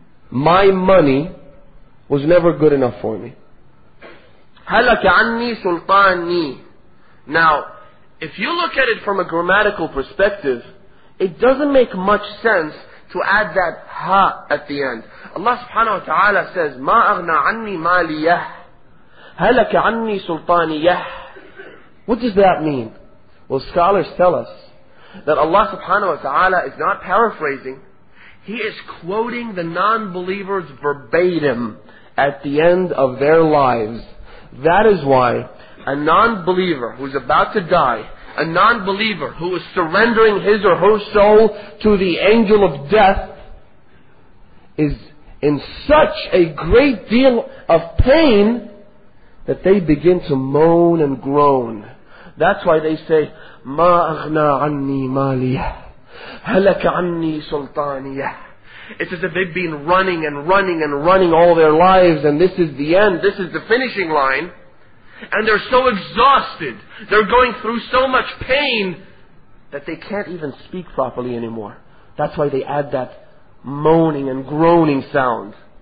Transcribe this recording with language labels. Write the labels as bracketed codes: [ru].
[en] My money was never good enough for me. [ar] هَلَكَ عَنِّي سُلْطَانِي. [en] Now, if you look at it from a grammatical perspective, it doesn't make much sense to add that ha at the end. Allah subhanahu wa ta'ala says, [ar] مَا أَغْنَى عَنِّي مَالِيَهْ هَلَكَ عَنِّي سُلْطَانِيَهْ. [en] What does that mean? Well, scholars tell us that Allah subhanahu wa ta'ala is not paraphrasing. He is quoting the non-believers verbatim at the end of their lives. That is why a non-believer who is about to die, a non-believer who is surrendering his or her soul to the angel of death, is in such a great deal of pain that they begin to moan and groan. That's why they say, [ar] مَا أَغْنَى عَنِّي مَالِيَهْ هَلَكَ عَنِّي سُلْطَانِيَهْ. [en] It's as if they've been running and running and running all their lives, and this is the end, this is the finishing line. And they're so exhausted, they're going through so much pain, that they can't even speak properly anymore. That's why they add that moaning and groaning sound.